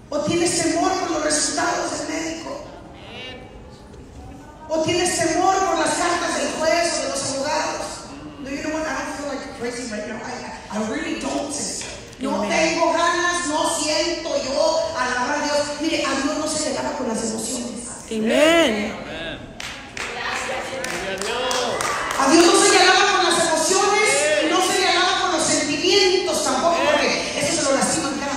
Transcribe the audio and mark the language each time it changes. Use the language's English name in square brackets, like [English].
[Spanish] ¿Tienes temor por los resultados del médico? ¿O tienes temor por las cartas del juez o de los abogados? [English] No, you know what? I don't feel like crazy right now. I really don't. [Spanish] No tengo ganas, no siento yo alabar a Dios. Mire, a Dios no se le gana con las emociones. Amén. A Dios no se le gana con las emociones y no se le gana con los sentimientos tampoco, porque eso se lo lastima.